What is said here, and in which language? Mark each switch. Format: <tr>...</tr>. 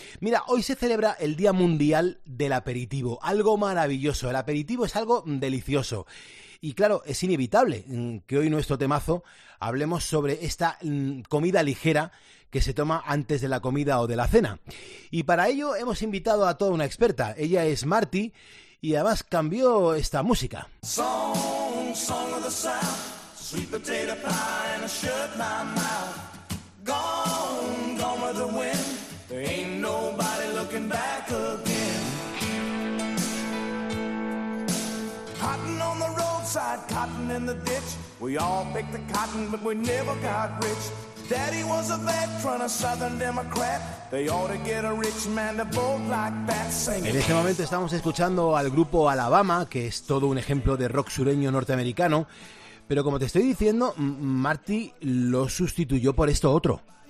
<es>Mira, hoy se celebra el Día Mundial del Aperitivo, algo maravilloso. El aperitivo es algo delicioso. Y claro, es inevitable que hoy nuestro temazo hablemos sobre esta comida ligera que se toma antes de la comida o de la cena. Y para ello hemos invitado a toda una experta. Ella es Marti. Y además cambió esta música.</es> <en>Song, song of the South, sweet potato pie and a shut my mouth. Gone, gone with the wind, there ain't nobody looking back again. Cotton on the roadside, cotton in the ditch. We all picked the cotton, but we never got rich. Daddy was a veteran, a Southern Democrat. They ought to get a rich man to vote like that.</en> <es>En este momento estamos escuchando al grupo Alabama, que es todo un ejemplo de rock sureño norteamericano. Pero como te estoy diciendo, Marti lo sustituyó por esto otro.</es>